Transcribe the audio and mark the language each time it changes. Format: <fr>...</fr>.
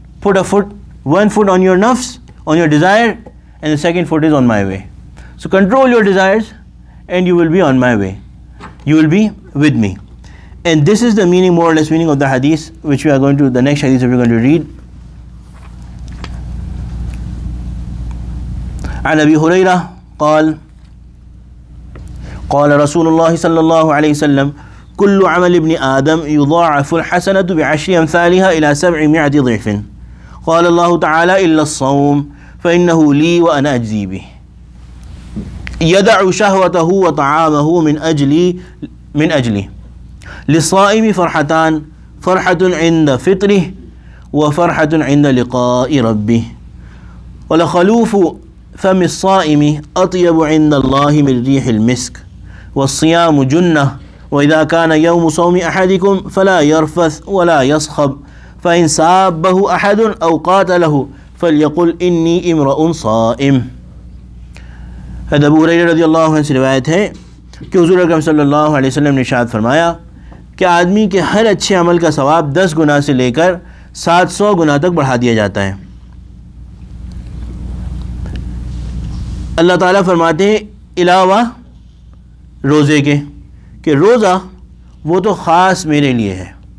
<en>Put one foot on your nafs, on your desire, and the second foot is on my way. So control your desires and you will be on my way. You will be with me. And this is the meaning, more or less meaning of the hadith, which we are going to, the next hadith that we are going to read.</en> <ar>An Abi Huraira, قال رسول الله صلى الله عليه وسلم كل عمل ابن آدم يضاعف الحسنة بعشر أمثالها إلى 700 ضعف قال الله تعالى إلا الصوم فإنه لي وأنا أجزي به يدع شهوته وطعامه من أجلي للصائم فرحتان فرحة عند فطره وفرحة عند لقاء ربه ولخلوف فم الصائم أطيب عند الله من ريح المسك والصيام جنة وإذا كان يوم صوم أحدكم فلا يرفث ولا يصخب فإن سابه أحد أو قاتله فليقل إني امرأ صائم.</ar> <ur>هذا أبو هريرة رضي الله عنه سے روایت ہے کہ حضور اکرم صلی اللہ علیہ وسلم نے ارشاد فرمایا کہ آدمی کے ہر اچھے عمل کا ثواب 10 گناہ سے لے کر 700 گناہ تک بڑھا دیا جاتا ہے. اللہ تعالیٰ فرماتے ہیں علاوہ روزے کے کہ روزہ وہ تو خاص میرے لیے ہے,</ur>